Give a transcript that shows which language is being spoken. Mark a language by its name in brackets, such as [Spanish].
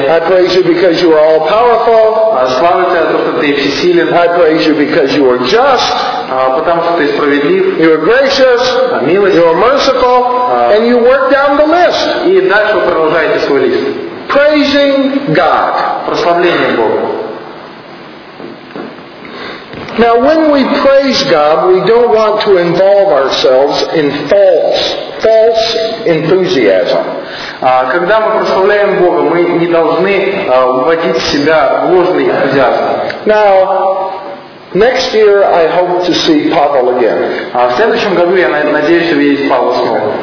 [English] I praise You because You are all-powerful. [Russian] Славлю Тебя за то, что Ты всесилен. [English] I praise You because You are just. [Russian] Потому что Ты справедлив. [English] You are gracious. [Russian] Милость. [English] You are merciful. And you work down the list. [Russian] И дальше вы продолжаете свой лист. [English] Praising God. [Russian] Прославление Богу. [English] Now, when we praise God, we don't want to involve ourselves in false enthusiasm. [Russian] Когда мы прославляем Бога, мы не должны вводить в себя ложный энтузиазм. [English] Now, next year I hope to see Pavel again. [Russian] В следующем году я надеюсь увидеть Павла снова.